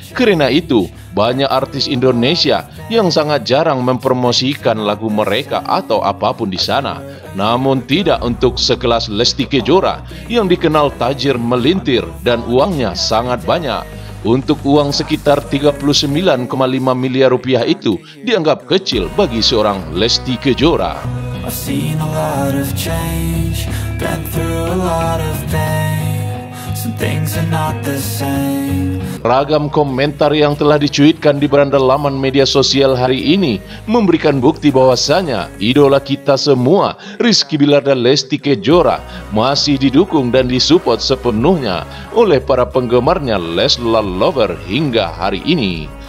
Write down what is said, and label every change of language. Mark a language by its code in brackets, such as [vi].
[id] Karena itu, banyak artis Indonesia yang sangat jarang mempromosikan lagu mereka atau apapun di sana. Namun tidak untuk sekelas Lesti Kejora yang dikenal tajir melintir dan uangnya sangat banyak. Untuk uang sekitar 39,5 miliar rupiah itu dianggap kecil bagi seorang Lesti Kejora. [en] I've seen a lot of change, been through a lot of pain. Some things are not the same. [id] Ragam komentar yang telah dicuitkan di beranda laman media sosial hari ini memberikan bukti bahwasanya idola kita semua, Rizky Billar dan Lesti Kejora, masih didukung dan disupport sepenuhnya oleh para penggemarnya Leslar Lover hingga hari ini.